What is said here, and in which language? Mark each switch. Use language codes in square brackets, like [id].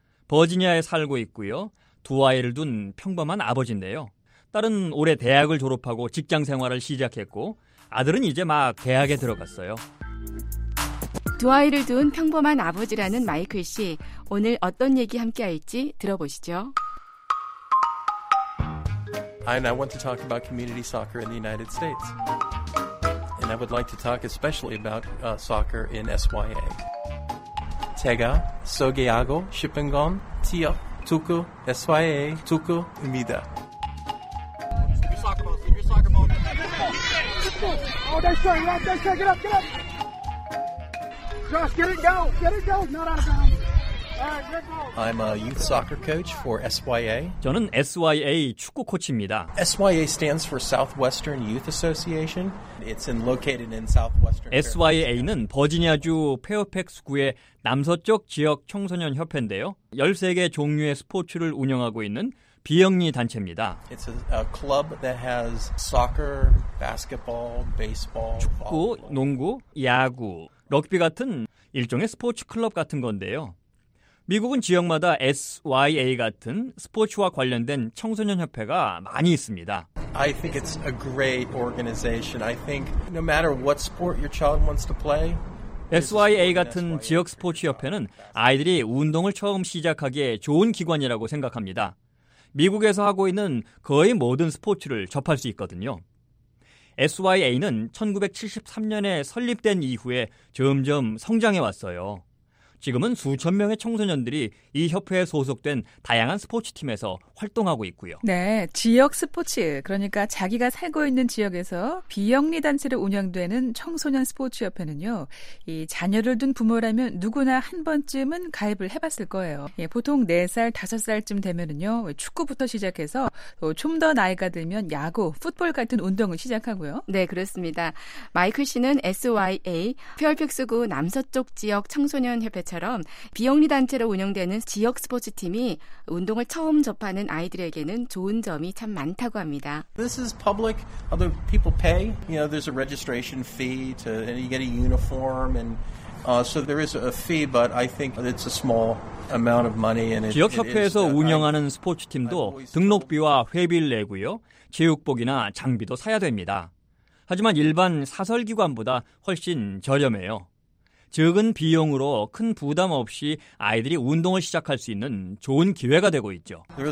[ko] 버지니아에 살고 있고요. 두 아이를 둔 평범한 아버지인데요. 딸은 올해 대학을 졸업하고 직장 생활을 시작했고 아들은 이제 막 대학에 들어갔어요. 두 아이를 둔 평범한 아버지라는 마이클 씨, 오늘 어떤 얘기 함께 할지 들어보시죠. [en] And I want to talk about community soccer in the United States. And I would like to talk especially about soccer in SYA. [ko] 제가 소개하고 싶은 건 지역 축구 SYA 축구입니다. [en] Oh, they're starting right there. Check it up, get up. I'm a youth soccer coach for SYA. [ko] 저는 SYA 축구 코치입니다. [en] SYA stands for Southwestern Youth Association. It's located in Southwestern. [ko] SYA는 버지니아주 페어팩스구의 남서쪽 지역 청소년 협회인데요. 13개 종류의 스포츠를 운영하고 있는 비영리 단체입니다. [en] It's a club that has soccer, basketball, baseball, [ko] 축구, 농구, 야구, 럭비 같은 일종의 스포츠 클럽 같은 건데요. 미국은 지역마다 SYA 같은 스포츠와 관련된 청소년 협회가 많이 있습니다. [en] I think it's a great organization. I think no matter what sport your child wants to play, [ko] SYA 같은 지역 스포츠 협회는 아이들이 운동을 처음 시작하기에 좋은 기관이라고 생각합니다. 미국에서 하고 있는 거의 모든 스포츠를 접할 수 있거든요. SYA는 1973년에 설립된 이후에 점점 성장해 왔어요. 지금은 수천 명의 청소년들이 이 협회에 소속된 다양한 스포츠팀에서 활동하고 있고요. 네, 지역 스포츠, 그러니까 자기가 살고 있는 지역에서 비영리 단체를 운영되는 청소년 스포츠협회는요. 이 자녀를 둔 부모라면 누구나 한 번쯤은 가입을 해봤을 거예요. 예, 보통 4살, 5살쯤 되면은요. 축구부터 시작해서 좀 더 나이가 들면 야구, 풋볼 같은 운동을 시작하고요. 네, 그렇습니다. 마이클 씨는 SYA, 페어팩스구 남서쪽 지역 청소년협회 처럼 비영리 단체로 운영되는 지역 스포츠 팀이 운동을 처음 접하는 아이들에게는 좋은 점이 참 많다고 합니다. [en] This is public. Other people pay. You know, there's a registration fee to and you get a uniform and so there is a fee, but I think it's a small amount of money. And [ko] 지역 협회에서 운영하는 스포츠 팀도 등록비와 회비를 내고요, 체육복이나 장비도 사야 됩니다. 하지만 일반 사설 기관보다 훨씬 저렴해요. 적은 비용으로 큰 부담 없이 아이들이 운동을 시작할 수 있는 좋은 기회가 되고 있죠.